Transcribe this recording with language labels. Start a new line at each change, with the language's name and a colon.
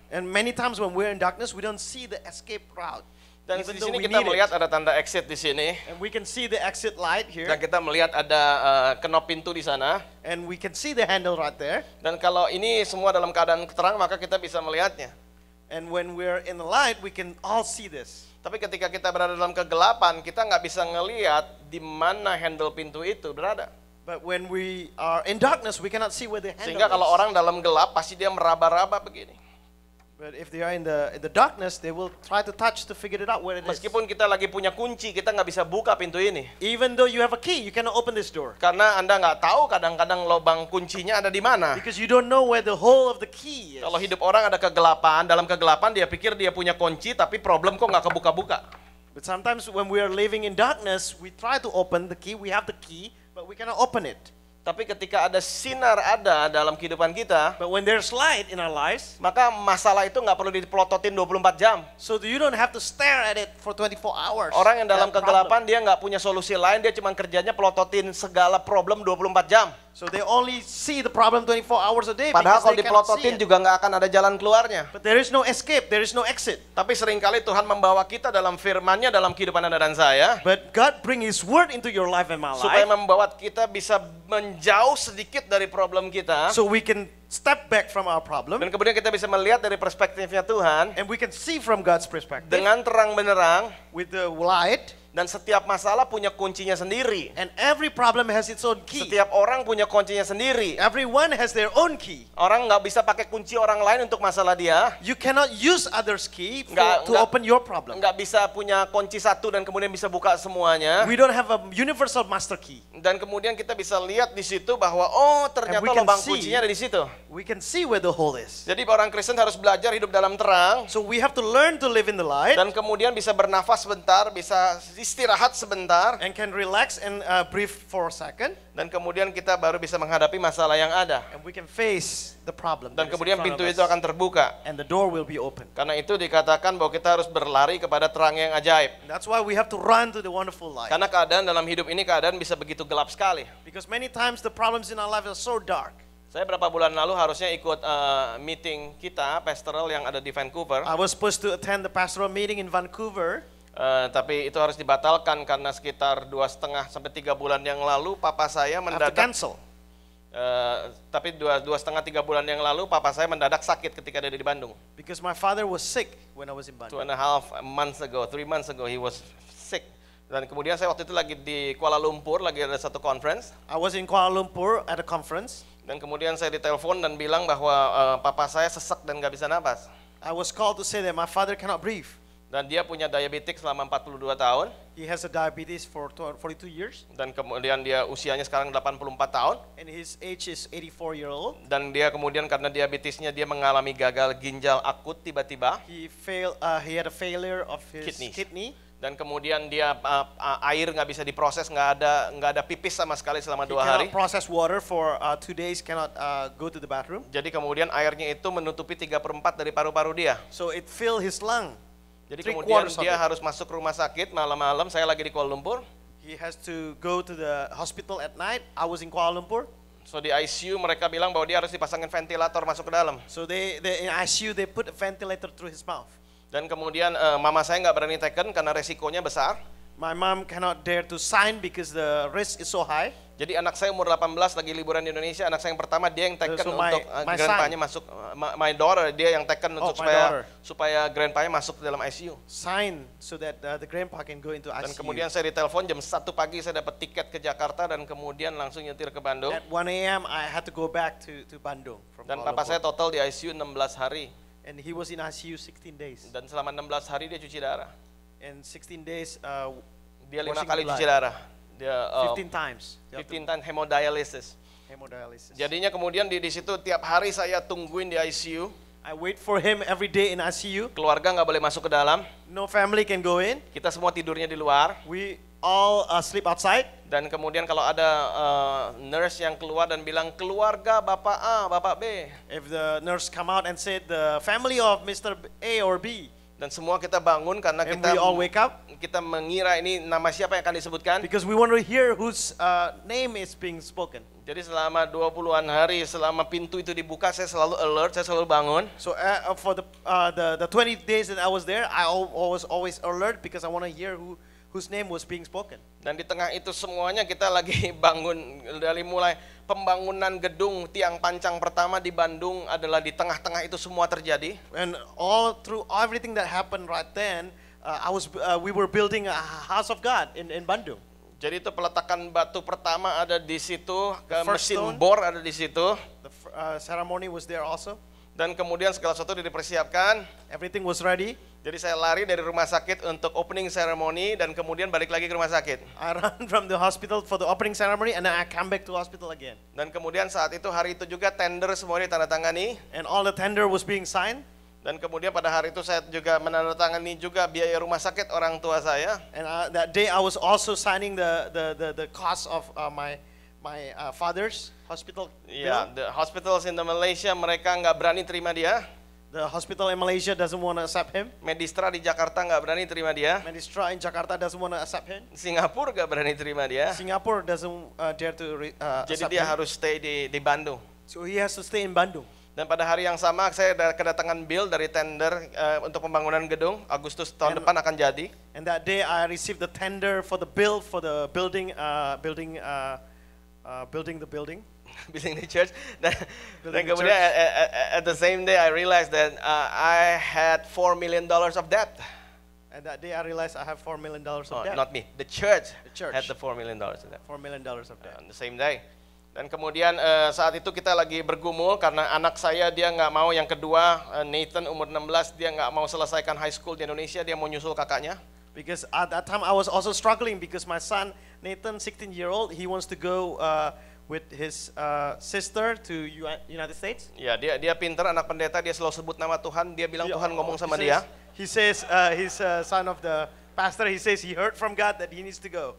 English: And many times when we're in darkness, we don't see the escape route.
Indonesian: Dan di sini kita melihat ada tanda exit di sini.
English: And we can see the exit light here.
Indonesian: Dan kita melihat ada kenop pintu di sana.
English: And we can see the handle right there.
Indonesian: Dan kalau ini semua dalam keadaan terang, maka kita bisa melihatnya.
English: And when we're in the light, we can all see this.
Indonesian: Tapi ketika kita berada dalam kegelapan, kita enggak bisa ngelihat di mana handle pintu itu berada.
English: But when we are in darkness, we cannot see where the handle.
Indonesian: Sehingga kalau orang dalam gelap, pasti dia meraba-raba begini.
English: But if they are in the darkness, they will try to touch to figure it out where it is.
Indonesian: Meskipun kita lagi punya kunci, kita enggak bisa buka pintu ini.
English: Even though you have a key, you cannot open this door.
Indonesian: Karena Anda enggak tahu kadang-kadang lubang kuncinya ada di mana.
English: Because you don't know where the hole of the key is.
Indonesian: Kalau hidup orang ada kegelapan, dalam kegelapan dia pikir dia punya kunci, tapi problem kok enggak kebuka-buka.
English: But sometimes when we are living in darkness, we try to open the key, we have the key, but we cannot open it.
Indonesian: Tapi ketika ada sinar ada dalam kehidupan kita,
English: but when there's light in our lives,
Indonesian: maka masalah itu enggak perlu dipelototin 24 jam.
English: So you don't have to stare at it for 24 hours.
Indonesian: Orang yang dalam kegelapan problem. Dia enggak punya solusi lain, dia cuma kerjanya pelototin segala problem 24 jam.
English: So they only see the problem 24 hours a day.
Indonesian: Padahal kalau dipelototin juga enggak akan ada jalan keluarnya.
English: But there is no escape, there is no exit.
Indonesian: Tapi seringkali Tuhan membawa kita dalam firman-Nya dalam kehidupan Anda dan saya.
English: But God bring his word into your life and my life.
Indonesian: Supaya membawa kita bisa menjauh sedikit dari problem kita.
English: So we can step back from our problem.
Indonesian: Dan kemudian kita bisa melihat dari perspektifnya Tuhan.
English: And we can see from God's perspective.
Indonesian: Dengan terang benderang.
English: With the light.
Indonesian: Dan setiap masalah punya kuncinya sendiri.
English: And every problem has its own key.
Indonesian: Setiap orang punya kuncinya sendiri.
English: Everyone has their own key.
Indonesian: Orang enggak bisa pakai kunci orang lain untuk masalah dia.
English: You cannot use others' key to open your problem.
Indonesian: Enggak bisa punya kunci satu dan kemudian bisa buka semuanya.
English: We don't have a universal master key.
Indonesian: Dan kemudian kita bisa lihat di situ bahwa ternyata lubang kuncinya ada di situ.
English: We can see where the hole is.
Indonesian: Jadi orang Kristen harus belajar hidup dalam terang.
English: So we have to learn to live in the light.
Indonesian: Dan kemudian bisa bernafas sebentar, bisa istirahat sebentar,
English: and can relax and breathe for a second,
Indonesian: dan kemudian kita baru bisa menghadapi masalah yang ada,
English: and we can face the problem,
Indonesian: dan kemudian pintu itu akan terbuka,
English: and the door will be open.
Indonesian: Karena itu dikatakan bahwa kita harus berlari kepada terang yang ajaib.
English: That's why we have to run to the wonderful light.
Indonesian: Karena keadaan dalam hidup ini keadaan bisa begitu gelap sekali.
English: Because many times the problems in our life are so dark.
Indonesian: Saya berapa bulan lalu harusnya ikut meeting kita pastoral yang ada di Vancouver.
English: I was supposed to attend the pastoral meeting in Vancouver.
Indonesian: Tapi itu harus dibatalkan karena sekitar 2,5-3 bulan yang lalu papa saya mendadak
English: cancel.
Indonesian: Tapi 2,5-3 bulan yang lalu papa saya mendadak sakit ketika dia di Bandung.
English: Because my father was sick when I was in Bandung. 2.5 months ago, 3 months ago he was sick.
Indonesian: Dan kemudian saya waktu itu lagi di Kuala Lumpur, lagi ada satu conference.
English: I was in Kuala Lumpur at a conference.
Indonesian: Dan kemudian saya ditelepon dan bilang bahwa papa saya sesak dan enggak bisa napas.
English: I was called to say that my father cannot breathe.
Indonesian: Dan dia punya diabetes selama 42 tahun.
English: He has a diabetes for 42 years.
Indonesian: Dan kemudian dia usianya sekarang 84 tahun.
English: And his age is 84 years old.
Indonesian: Dan dia kemudian karena diabetesnya dia mengalami gagal ginjal akut tiba-tiba.
English: He had a failure of his kidney.
Indonesian: Dan kemudian dia air nggak bisa diproses, nggak ada pipis sama sekali selama 2 hari.
English: He cannot process water for 2 days, cannot go to the bathroom.
Indonesian: Jadi kemudian airnya itu menutupi 3/4 dari paru-paru dia.
English: So it fill his lung.
Indonesian: Jadi kemudian dia harus masuk rumah sakit malam-malam, saya lagi di Kuala Lumpur.
English: He has to go to the hospital at night. I was in Kuala Lumpur.
Indonesian: So di ICU mereka bilang bahwa dia harus dipasangin ventilator masuk ke dalam.
English: So they in ICU they put a ventilator through his mouth.
Indonesian: Dan kemudian mama saya enggak berani taken karena resikonya besar.
English: My mom cannot dare to sign because the risk is so high.
Indonesian: Jadi anak saya umur 18 lagi liburan di Indonesia, anak saya yang pertama dia yang taken untuk grandpanya masuk,
English: my daughter
Indonesian: dia yang taken untuk supaya grandpanya masuk dalam ICU.
English: Sign so that the grandpa can go into ICU.
Indonesian: Dan kemudian saya ditelepon jam 1 pagi saya dapat tiket ke Jakarta dan kemudian langsung nyetir ke Bandung.
English: At 1 a.m. I had to go back to Bandung.
Indonesian: Dan papa saya total di ICU 16 hari.
English: And he was in ICU 16 days.
Indonesian: Dan selama 16 hari dia cuci darah.
English: And 16 days
Indonesian: dia 5 kali cuci darah.
English: Dia 15 times hemodialysis. Hemodialysis.
Indonesian: Jadinya kemudian di situ tiap hari saya tungguin di ICU.
English: I wait for him every day in ICU.
Indonesian: Keluarga enggak boleh masuk ke dalam.
English: No family can go in.
Indonesian: Kita semua tidurnya di luar.
English: We all sleep outside.
Indonesian: Dan kemudian kalau ada nurse yang keluar dan bilang keluarga Bapak A, Bapak B.
English: If the nurse come out and said the family of Mr. A or B.
Indonesian: Dan semua kita bangun karena kita
English: and we all wake up.
Indonesian: Kita mengira ini nama siapa yang akan disebutkan.
English: Because we want to hear whose name is being spoken.
Indonesian: Jadi selama 20-an hari, selama pintu itu dibuka, saya selalu alert, saya selalu bangun.
English: So for the 20 days that I was there, I was always alert because I want to hear whose name was being spoken.
Indonesian: Dan di tengah itu semuanya kita lagi bangun dari mulai pembangunan gedung tiang pancang pertama di Bandung adalah di tengah-tengah itu semua terjadi.
English: And all through everything that happened right then, we were building a house of God in Bandung.
Indonesian: Jadi itu peletakan batu pertama ada di situ, mesin bor ada di situ.
English: The ceremony was there also.
Indonesian: Dan kemudian segala sesuatu dipersiapkan.
English: Everything was ready.
Indonesian: Jadi saya lari dari rumah sakit untuk
English: opening ceremony
Indonesian: dan kemudian balik lagi ke rumah sakit.
English: I ran from the hospital for the opening ceremony and then I came back to hospital again.
Indonesian: Dan kemudian saat itu hari itu juga tender semuanya ditandatangani.
English: And all the tender was being signed.
Indonesian: Dan kemudian pada hari itu saya juga menandatangani juga biaya rumah sakit orang tua saya.
English: And that day I was also signing the cost of my father's hospital bill. Yeah, the hospitals in the Malaysia
Indonesian: mereka enggak berani terima dia.
English: The hospital in Malaysia doesn't want to accept him.
Indonesian: Medistra di Jakarta enggak berani terima dia.
English: Medistra in Jakarta doesn't want to accept him.
Indonesian: Singapura enggak berani terima dia.
English: Singapore doesn't dare to accept
Indonesian: him. Jadi dia harus stay di Bandung.
English: So he has to stay in Bandung.
Indonesian: Dan pada hari yang sama saya kedatangan bill dari tender untuk pembangunan gedung Agustus tahun and, depan akan jadi.
English: And that day I received the tender for the bill for the building building the building. Building the church. Then kemudian at the same day I realized that I had $4 million of debt. And that day I realized I have $4 million of debt. Not me. The church. The church had the $4 million of debt. $4 million of debt. On the same day.
Indonesian: Dan kemudian saat itu kita lagi bergumul karena anak saya dia enggak mau yang kedua Nathan umur 16 dia enggak mau selesaikan high school di Indonesia dia mau nyusul kakaknya.
English: Because at that time I was also struggling because my son Nathan 16 year old he wants to go with his sister to United States.
Indonesian: Yeah, dia pintar anak pendeta dia selalu sebut nama Tuhan dia bilang Tuhan ngomong sama dia.
English: He says he's a son of the pastor he says he heard from God that he needs to go.